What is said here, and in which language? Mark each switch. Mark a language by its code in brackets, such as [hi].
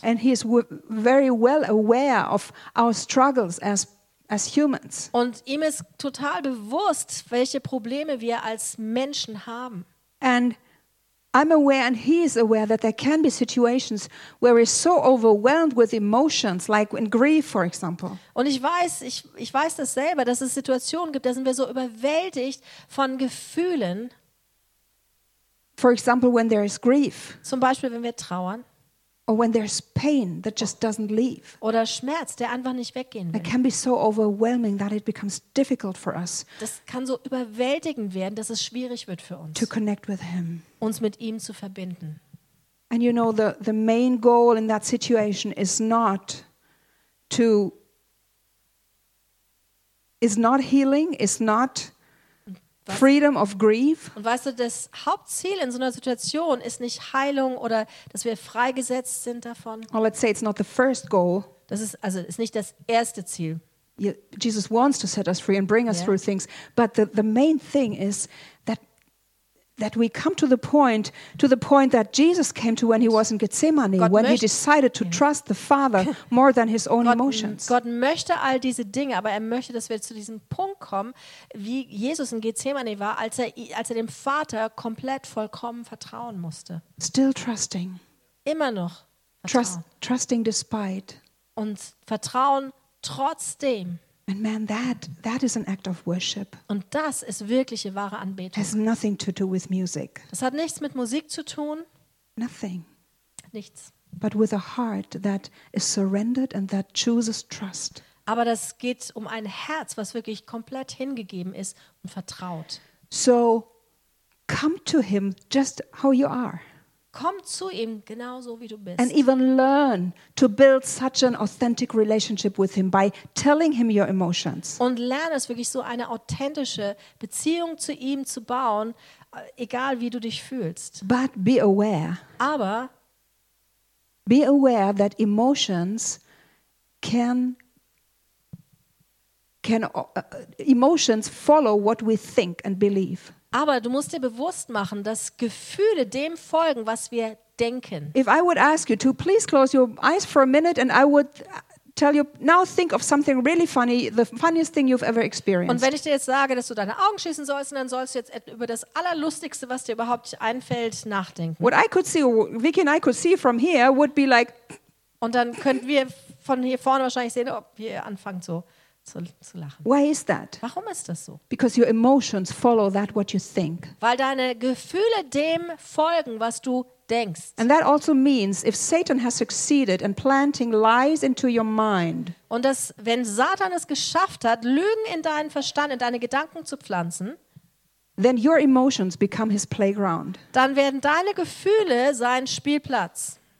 [en] And he is very well aware of our struggles as humans. [de] Und ihm ist total bewusst, welche Probleme wir als Menschen haben. [en] And I'm aware and he is aware that there can be situations where we're so overwhelmed with emotions, like in grief for example. [de] Und ich weiß das selber, dass es Situationen gibt, da sind wir so überwältigt von Gefühlen. [en] For example, when there is grief. [de] Zum Beispiel, wenn wir trauern. [en] Or when there's pain that just doesn't leave. [de] Oder Schmerz, der einfach nicht weggehen will. [en] It can be so overwhelming that it becomes difficult for us. [de] Das kann so überwältigend werden, dass es schwierig wird für uns. [en] To connect with him. [de] Uns mit ihm zu verbinden. [en] And you know the main goal in that situation is not healing, is not Freedom of grief. [de] Und weißt du, das Hauptziel in so einer Situation ist nicht Heilung oder dass wir freigesetzt sind davon. [en] Well, let's say it's not the first goal. [de] Das ist also ist nicht das erste Ziel. [en] Jesus wants to set us free and bring us through things, but the main thing is that we come to the point that Jesus came to when he was in Gethsemane, [de] Gott [en] when [de] möchte, [en] he decided to trust the Father more than his own emotions. [de] Gott möchte all diese Dinge, aber er möchte, dass wir zu diesem Punkt kommen, wie Jesus in Gethsemane war, als er dem Vater komplett vollkommen vertrauen musste. [en] Still trusting. [de] Immer noch vertrauen. [en] Trusting despite. [de] Und vertrauen trotzdem. [en] And man, that is an act of worship. [de] Und das ist wirkliche wahre Anbetung. [en] Has nothing to do with music. [de] Das hat nichts mit Musik zu tun. [en] Nothing. [de] Nichts. [en] But with a heart that is surrendered and that chooses trust. [de] Aber das geht um ein Herz, was wirklich komplett hingegeben ist und vertraut. [en] So, come to him just how you are. [de] Komm zu ihm genauso wie du bist. [en] And even learn to build such an authentic relationship with him by telling him your emotions. [de] Und lerne es wirklich so eine authentische Beziehung zu ihm zu bauen, egal wie du dich fühlst. [en] But be aware. [de] Aber [en] be aware that emotions can follow what we think and believe. [de] Aber du musst dir bewusst machen, dass Gefühle dem folgen, was wir denken. [en] If I would ask you to please close your eyes for a minute and I would tell you now think of something really funny, the funniest thing you've ever experienced. [de] Und wenn ich dir jetzt sage, dass du deine Augen schließen sollst, dann sollst du jetzt über das Allerlustigste, was dir überhaupt einfällt, nachdenken. [en] What I could see, Vicky and I could see from here would be like. [de] Und dann könnten wir von hier vorne wahrscheinlich sehen, ob wir anfangen so. Zu lachen. [en] Why is that? [de] Warum ist das so? [en] Because your emotions follow that what you think. [de] Weil deine Gefühle dem folgen, was du denkst. [en] And that also means if Satan has succeeded in planting lies into your mind. [de] Und dass wenn Satan es geschafft hat, Lügen in deinen Verstand, in deine Gedanken zu pflanzen, [en] then your emotions become his playground. [de] Dann werden deine Gefühle sein Spielplatz.